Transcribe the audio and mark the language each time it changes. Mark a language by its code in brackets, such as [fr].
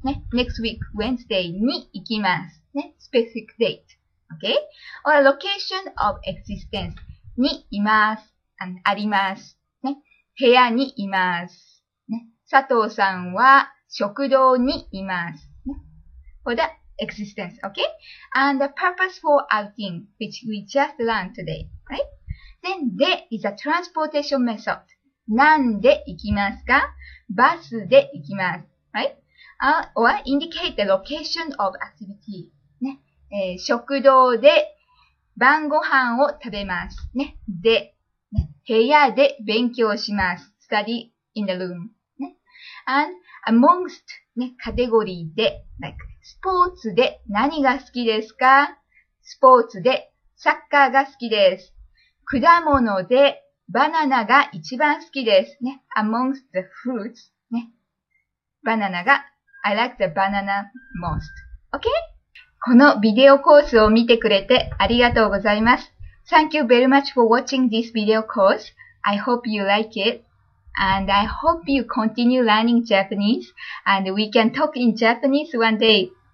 [en] ね、next week, Wednesday に行きます。ね、specific date. Okay? Or, location of existence. にいます。 [ja] And あります。ね、部屋にいます。ね、佐藤さんは食堂にいます。 [en] ね、for the existence. Okay? And the purpose for outing, which we just learned today. Right? Then, で is a transportation method. [ja] なんで行きますか? バスで行きます。 [en] Right? Or indicate the location of activity. [ja] ね、食堂で晩ご飯を食べます。ね、で、ね、部屋で勉強します。 [en] study in the room.、ね、And amongst, ね、カテゴリーで、like, [ja] スポーツで何が好きですか? スポーツでサッカーが好きです。果物でバナナが一番好きです。 [en] ね。amongst the fruits. ね。バナナが、I like the banana most.Okay? [ja] このビデオコースを見てくれてありがとうございます。 [en] Thank you very much for watching this video course. I hope you like it.And I hope you continue learning Japanese.And we can talk in Japanese one day.